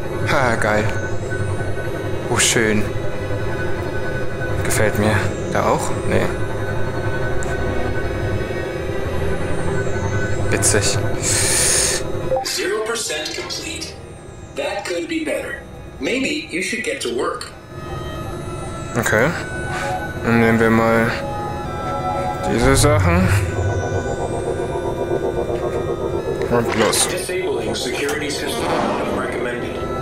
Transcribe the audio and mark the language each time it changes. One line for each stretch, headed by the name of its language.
German: Ah, geil. Oh, schön. Gefällt mir. Da auch? Nee. Witzig.
English: 0% complete. That could be better. Maybe you should get to work. Okay.
German: Dann nehmen wir mal diese Sachen. Und los.
English: Disabling security system recommended.